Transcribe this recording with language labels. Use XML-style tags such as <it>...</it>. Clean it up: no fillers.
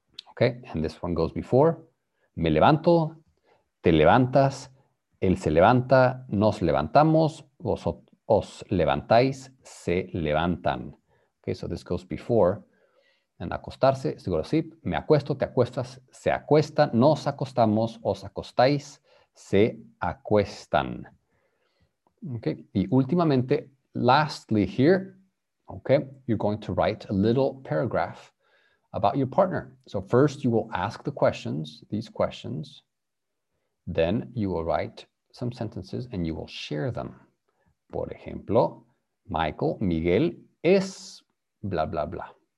<en>Okay, and this one goes before.</en> <es>Me levanto, te levantas, él se levanta, nos levantamos, os levantáis, se levantan.</es> <en>Okay, so this goes before. And acostarse, to go to sleep.</en> <es>Me acuesto, te acuestas, se acuesta, nos acostamos, os acostáis, se acuestan.</es> <en>Okay,</en> <es>y últimamente,</es> <en>lastly here, okay, you're going to write a little paragraph about your partner. So first you will ask the questions, these questions. Then you will write some sentences and you will share them.</en> <es>Por ejemplo, Michael, Miguel es blah, blah, blah.</es>